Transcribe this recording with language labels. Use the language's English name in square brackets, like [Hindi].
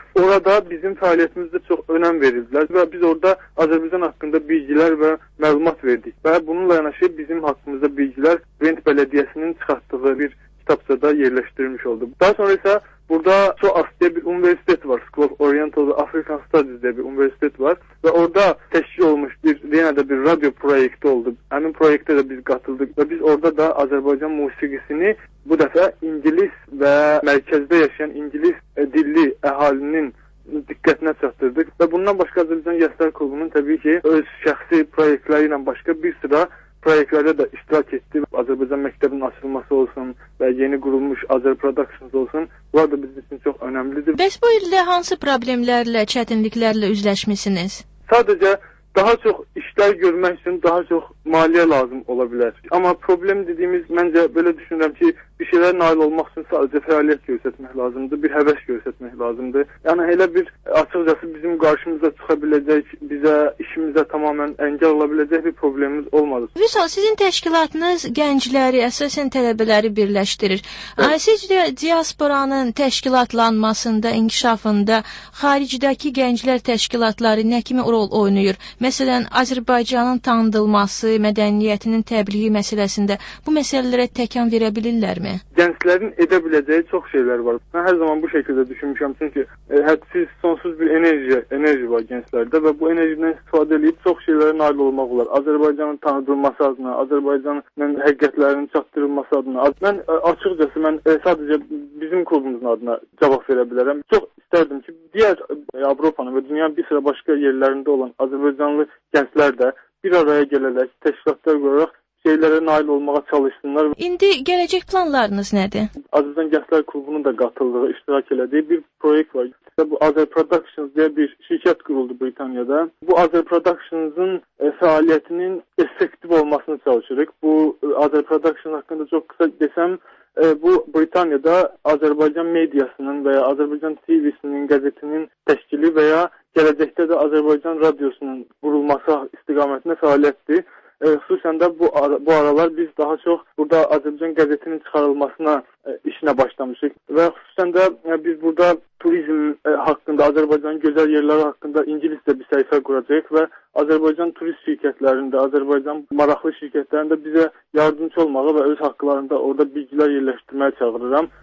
[Azerbaijani] Orada bizim fəaliyyətimizdə çox önəm verildilər və biz orada Azərbaycan haqqında bilgilər və məlumat verdik. Və bununla yanaşı bizim haqqımızda bilgilər Brent Bələdiyyəsinin çıxartdığı bir kitabçada yerləşdirilmiş oldu. Daha sonra isə burada SOAS deyə bir universitet var, School of Oriental African Studies deyə bir universitet var və orada təşkil olmuş bir [Turkish] bir yine de bir radyo projekti oldu. Hemen projekte de biz katıldık ve biz orada da Azerbaycan musikisini bu defa İngiliz ve merkezde yaşayan İngiliz dilli ehalinin dikkatine çatırdık. Ve bundan başka Azerbaycan Gençler Klubu'nun tabii ki öz şahsi projekleriyle başka bir sıra projelerde de iştirak etti. Azerbaycan Mektebinin açılması olsun ve yeni kurulmuş Azer Productions olsun. Bu arada bizim için çok önemlidir. [Azerbaijani] Bəs bu ilde hansı problemlerle, çetinliklerle üzləşmişsiniz? [Turkish] Sadece daha çok işler görmek için daha çok maliye lazım olabilir. Ama problem dediğimiz, bence böyle düşünürüm ki bir şeyler nail olmak için sadece faaliyet göstermek lazımdı, bir heves göstermek lazımdı. Yani hele bir açıkçası bizim karşımıza çıkabilecek, bize işimize tamamen engel olabilecek bir problemimiz olmadı. Vüsal, sizin teşkilatınız gençleri, esasen talebeleri birleştirir. Evet. Siz de diasporanın teşkilatlanmasında, inkişafında haricideki gençler teşkilatları ne kimi rol oynuyor? [Azerbaijani] Mesela Azerbaycan'ın tanıdılması, medeniyetinin təbliği məsələsində bu məsələlərə təkan verə bilirlərmi? Gənclərin edə biləcəyi çox şeylər var. Mən hər zaman bu şəkildə düşünmüşəm, çünki hədsiz, sonsuz bir enerji var gənclərdə və bu enerjidən istifadə edib çox şeylərə nail olmaq olar. Azərbaycanın tanıdılması adına, Azərbaycanın həqiqətlərinin çatdırılması adına. Mən açıqcası sadəcə bizim klubumuzun adına cavab verə bilərəm. Çox istərdim ki, digər Avropanın və dünyanın bir sıra başqa yerlərində olan Azərbaycanlı gənclər də bir araya [Turkish] gelerek, teşkilatlar olarak şeylere [Azerbaijani] nail olmaya çalışsınlar. [Turkish] İndi gelecek planlarınız nedir? Azizan Gençler Klubu'nun da katıldığı, iştirak edildiği bir proyekt var. İşte bu Azer Productions diye bir şirket kuruldu Britanya'da. Bu Azer Productions'ın faaliyetinin efektif olmasını çalışırız. Bu Azer Productions hakkında çok kısa desem, bu Britanya'da Azerbaycan medyasının veya Azerbaycan TV'sinin, gazetinin teşkili veya [Azerbaijani] gələcəkdə də Azərbaycan radiosunun qurulması istiqamətində fəaliyyətdir. Xüsusən də bu aralar biz daha çox burada Azərbaycan qəzetinin çıxarılmasına işinə başlamışıq və xüsusən də biz burada turizm haqqında, Azərbaycanın gözəl yerləri haqqında ingiliscə bir səhifə quracaq və Azərbaycan turist şirkətlərində, Azərbaycan maraqlı şirkətlərində bizə yardımcı olmağı və öz haqqlarında orada bilgilər yerləşdirməyə çağırıram.